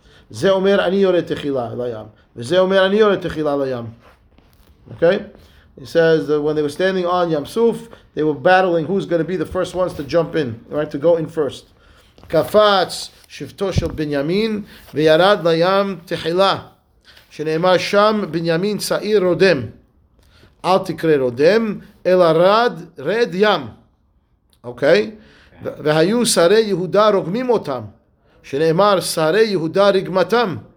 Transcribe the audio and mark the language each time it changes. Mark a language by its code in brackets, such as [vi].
[he] זה אומר אני יורד תחילה לים. וזה אומר אני יורד תחילה לים. [en] Okay? He says that when they were standing on Yam Suf, they were battling who's going to be the first ones to jump in, right? To go in first. [he] קפץ שבטו של בנימין וירד לים תחילה. שנאמר שם בנימין צעיר רודם. אל תקרא רודם, אלא רד ים. Okay? והיו שרי יהודה רוגמים אותם. שנאמר שרי יהודה רגמתם.